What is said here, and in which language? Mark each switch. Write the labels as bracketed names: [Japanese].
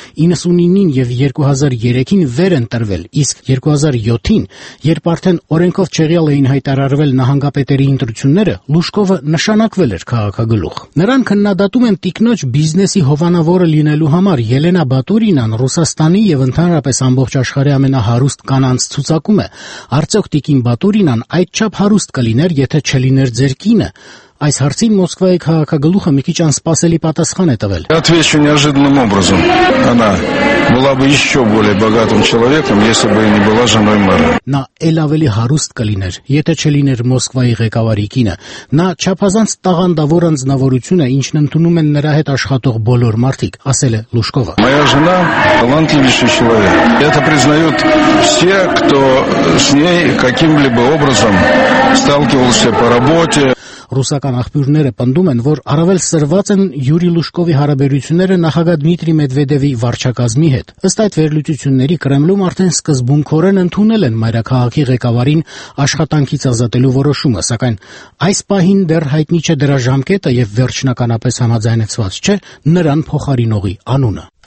[Armenian] 99-ին և 2003-ին վեր ընտրվել, իսկ 2007-ին, երբ արդեն օրենքով չեղյալ էին հայտարարվել նահանգապետերի ընտրությունները, Լուշկովը նշանակվել էր քաղաքագլուխ։ Նրան քննադատում են տիկնոջ բիզնեսի հովանավորը լինելու համար։ Ելենա Բատուրինան Ռուսաստանի և ընդհանրապես ամբողջ աշխարհի ամենահարուստ կանանց ցուցակում է։ Արդյոք տիկին Բատուրինան այդչափ հարուստ կլիներ, եթե չլիներ ձեր կինը։ Այս հարցին Մոսկվայի քաղաքագլուխը մի քիչ անսպասելի պատասխան է տվել. [Russian] Отвечу неожиданным образом. Она была бы ещё более богатым человеком, если бы не была женой мэра. [Armenian] Նա ելավելի հարուստ կլիներ, եթե չլիներ Մոսկվայի ղեկավարի կինը։ Նա չափազանց տաղանդավոր անձնավորություն է, ինչն ընդունում են նրա հետ աշխատող բոլոր մարդիկ, ասել է Լուշկովը։ [Russian] Моя жена талантливый человек. Это признают все, кто с ней каким-либо образом сталкивался по работе. [Armenian] Ռուսական աղբյուրները պնդում են, որ առավել սրված են Յուրի Լուշկովի հարաբերությունները նախագահ Դմիտրի Մեդվեդևի վարչակազմի հետ։ Ըստ այդ վերլուծությունների Կրեմլում արդեն սկզբունքորեն ընդունել են մայրաքաղաքի ղեկավարին աշխատանքից ազատելու որոշումը, սակայն այս պահին դեռ հայտնի չէ դրա ժամկետը եւ վերջնականապես համաձայնեցված չէ նրան փոխարինողի անունը։